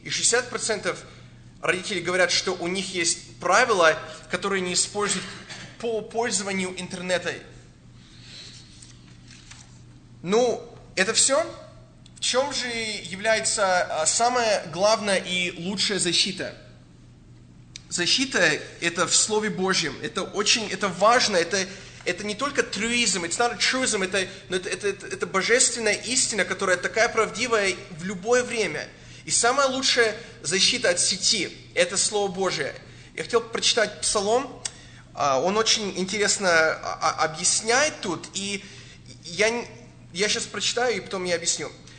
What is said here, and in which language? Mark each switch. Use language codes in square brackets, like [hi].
[ru] И 60% родители говорят, что у них есть правила, которые они используют по пользованию интернета. Ну, это все. В чем же является самая главная и лучшая защита? Защита – это в Слове Божьем. Это очень, это важно. Это не только [en] truism, it's not a truism. [ru] Это божественная истина, которая такая правдивая в любое время. И самая лучшая защита от сети – это Слово Божие. Я хотел прочитать Псалом. Он очень интересно объясняет тут. И я сейчас прочитаю, и потом я объясню.